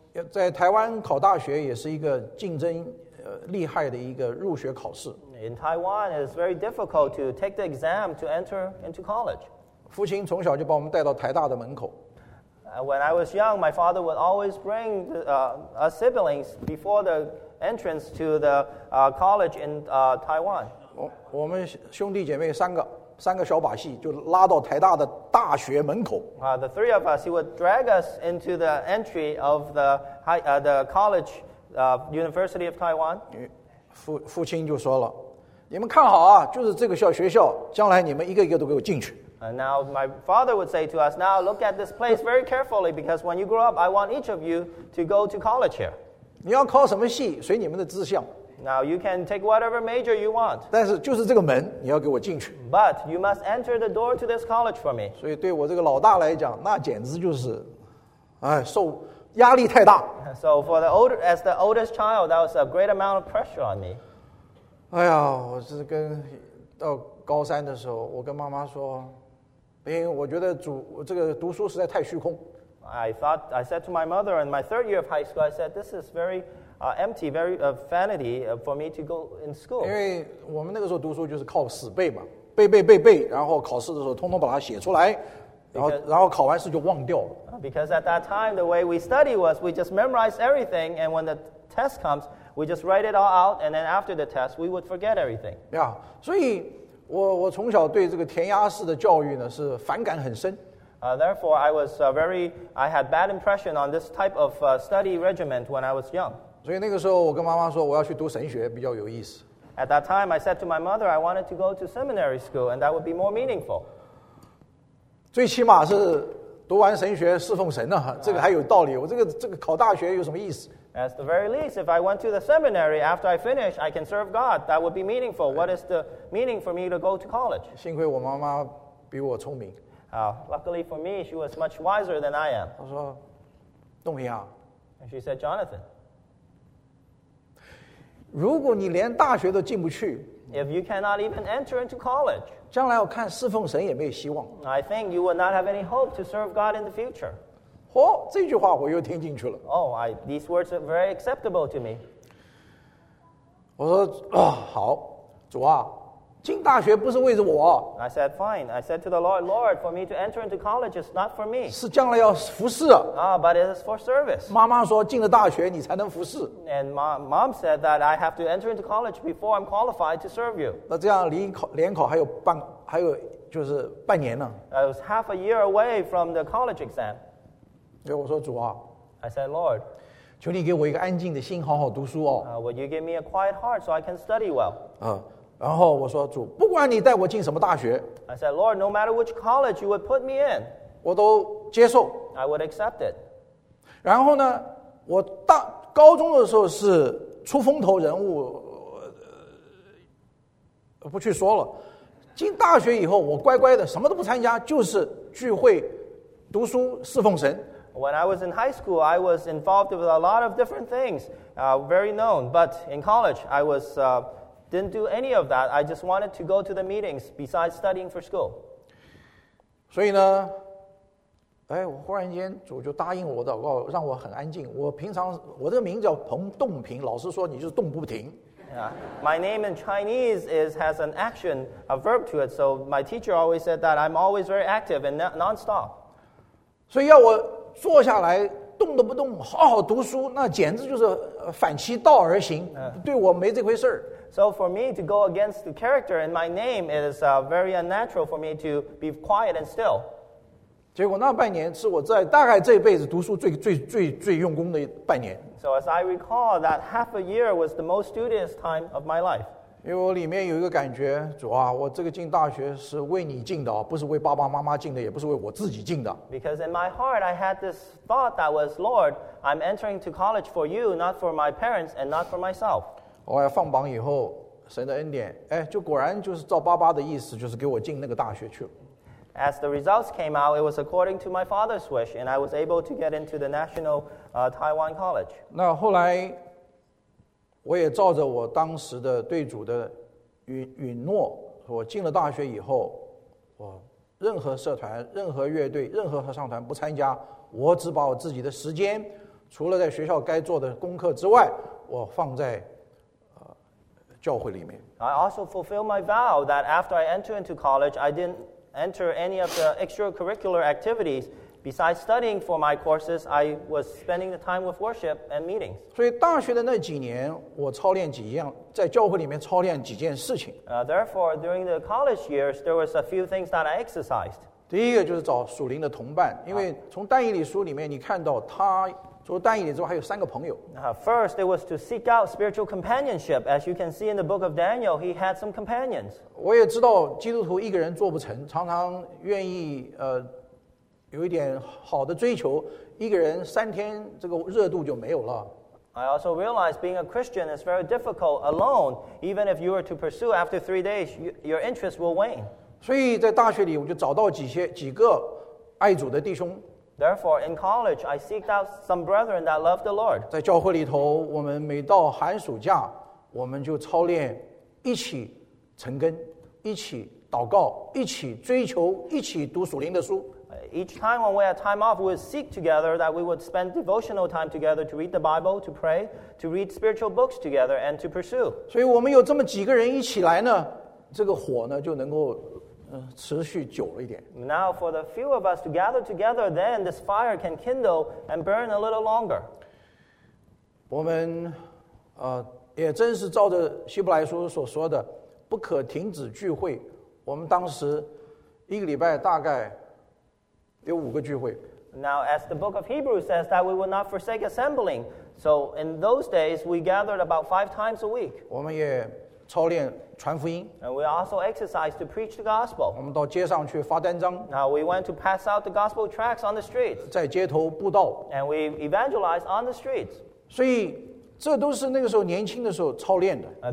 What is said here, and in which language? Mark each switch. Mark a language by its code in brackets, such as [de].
[zh] 在台湾考大学也是一个竞争厉害的一个入学考试。 [en] In Taiwan, it's very difficult to take the exam to enter into college. [zh] 父亲从小就把我们带到台大的门口。 [en] When I was young, my father would always bring our siblings before the entrance to the college in Taiwan. [zh] 我们兄弟姐妹三个小把戏就拉到台大的大学门口。 [en] The three of us, he would drag us into the entry of the college, University of Taiwan. [zh] 父亲就说了，你们看好啊，就是这个学校，将来你们一个一个都给我进去。 [en] And now my father would say to us, now look at this place very carefully, because when you grow up, I want each of you to go to college here. [zh] 你要考什么系，随你们的志向。 [en] Now you can take whatever major you want. [zh] 但是就是这个门，你要给我进去。 [en] But you must enter the door to this college for me. [zh] 所以对我这个老大来讲，那简直就是，受压力太大。 [en] So for as the oldest child, that was a great amount of pressure on me. [zh] 哎呀，我是跟到高三的时候，我跟妈妈说，因为我觉得这个读书实在太虚空。 [en] I said to my mother in my third year of high school, I said, this is very empty, very vanity for me to go in school. [zh] 因为我们那个时候读书就是靠死背嘛，背背背背，然后考试的时候通通把它写出来，然后考完试就忘掉了。 [en] Because at that time, the way we study was we just memorize everything, and when the test comes, we just write it all out, and then after the test, we would forget everything. [zh] Yeah, 所以我从小对这个填鸭式的教育呢是反感很深。 [en] Therefore, I was I had bad impression on this type of study regimen when I was young. [zh] 所以那个时候我跟妈妈说我要去读神学比较有意思。 [en] At that time, I said to my mother, I wanted to go to seminary school, and that would be more meaningful. [zh] 最起码是读完神学侍奉神呢，这个还有道理。我这个考大学有什么意思？ [en] At the very least, if I went to the seminary after I finish, I can serve God. That would be meaningful. What is the meaning for me to go to college? [zh] 幸亏我妈妈比我聪明。 [en] Luckily for me, she was much wiser than I am. [zh] 她说，东平啊。 [en] And she said, Jonathan, [zh] 如果你连大学都进不去， [en] if you cannot even enter into college, [zh] 将来我看侍奉神也没有希望。 [en] I think you would not have any hope to serve God in the future. [zh] 哦，这句话我又听进去了。 [en] These words are very acceptable to me. [zh] 我说，好，主啊，进大学不是为着我。 [en] I said, fine. I said to the Lord, Lord, for me to enter into college is not for me. [zh] 是将来要服侍。 [en] But it is for service. [zh] 妈妈说，进了大学你才能服侍。 [en] And mom said that I have to enter into college before I'm qualified to serve you. [zh] 那这样联考还有就是半年呢。 [en] I was half a year away from the college exam. [zh] 对，我说主啊 [en] ，I said Lord， [zh] 求你给我一个安静的心，好好读书哦。 [en] Would you give me a quiet heart so I can study well？ [zh] 然后我说主，不管你带我进什么大学 [en] ，I said Lord， no matter which college you would put me in， [zh] 我都接受 [en] ，I would accept it。 [zh] 然后呢，我大高中的时候是出风头人物，不去说了。进大学以后，我乖乖的，什么都不参加，就是聚会、读书、侍奉神。 [en] When I was in high school, I was involved with a lot of different things, very known. But in college, I was, didn't do any of that. I just wanted to go to the meetings besides studying for school. [zh] 所以呢，哎，我忽然间主就答应我的祷告，让我很安静。我平常我这个名叫彭洞平，老师说你就是动不停。 [en] My name in Chinese has an action, a verb to it. So my teacher always said that I'm always very active and nonstop. [zh] 所以要我坐下来动都不动好好读书，那简直就是反其道而行，对我没这回事。 [en] So for me to go against the character in my name, it is very unnatural for me to be quiet and still. [zh] 结果那半年是我在大概这辈子读书最用功的半年。 [en] So as I recall, that half a year was the most studious time of my life. [zh] 因为我里面有一个感觉，主啊，我这个进大学是为你进的，不是为爸爸妈妈进的，也不是为我自己进的。 [en] Because in my heart, I had this thought that was, Lord, I'm entering to college for you, not for my parents and not for myself. [zh] 我要放榜以后，神的恩典，哎，就果然就是照爸爸的意思，就是给我进那个大学去了。 [en] As the results came out, it was according to my father's wish, and I was able to get into the National Taiwan College. [zh] 那后来，我也照着我当时的对主的允诺，我进了大学以后，我任何社团、任何乐队、任何合唱团不参加，我只把我自己的时间，除了在学校该做的功课之外，我放在教会里面。 [en] I also fulfilled my vow that after I entered into college, I didn't. Enter any of the extracurricular activities besides studying for my courses. I was spending the time with worship and meetings. [zh] 所以大学的那几年，我操练几样，在教会里面操练几件事情。 [en] Therefore, during the college years, there was a few things that I exercised. [zh] 第一个就是找属灵的同伴，因为从但以理书里面你看到他除了但以理之外还有三个朋友。 [en] First, it was to seek out spiritual companionship. As you can see in the book of Daniel, he had some companions. [zh] 我也知道基督徒一个人做不成，常常愿意有一点好的追求，一个人三天这个热度就没有了。 [en] I also realized being a Christian is very difficult alone. Even if you were to pursue after 3 days, your interest will wane. [zh] 所以在大学里我就找到几个爱主的弟兄。 [en] Therefore, in college, I seeked out some brethren that love the Lord. [zh] 在教会里头，我们每到寒暑假，我们就操练，一起晨更，一起祷告，一起追求，一起读属灵的书。 [en] Each time when we had time off, we would seek together that we would spend devotional time together to read the Bible, to pray, to read spiritual books together, and to pursue. [zh] 所以我们有这么几个人一起来呢，这个火呢就能够。持续久了一点。 [en] Now for the few of us to gather together, then this fire can kindle and burn a little longer. [zh] 我们也真是照着希伯来书所说的，不可停止聚会。我们当时一个礼拜大概有五个聚会。 [en] Now as the book of Hebrews says that we will not forsake assembling. So in those days we gathered about 5 times a week. [zh] 我们也操练传福音。 [en] And we also exercise to preach the gospel. [zh] 我们到街上去发单张。 [en] Now we went to pass out the gospel tracts on the streets. [zh] 在街头布道。 [en] And we evangelized on the streets. [zh] 所以这都是那个时候年轻的时候操练的。